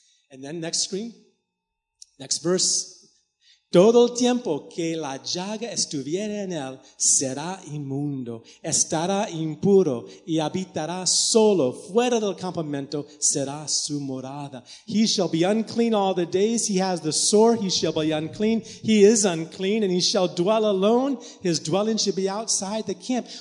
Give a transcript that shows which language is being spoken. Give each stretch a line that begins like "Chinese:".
English: And then next screen, next verse.
Spanish: Todo el tiempo que la llaga estuviere en él, será inmundo, estará impuro, y habitará solo, fuera del campamento, será su morada.
English: He shall be unclean all the days he has the sore, he shall be unclean, he is unclean, and he shall dwell alone, his dwelling shall be outside the camp.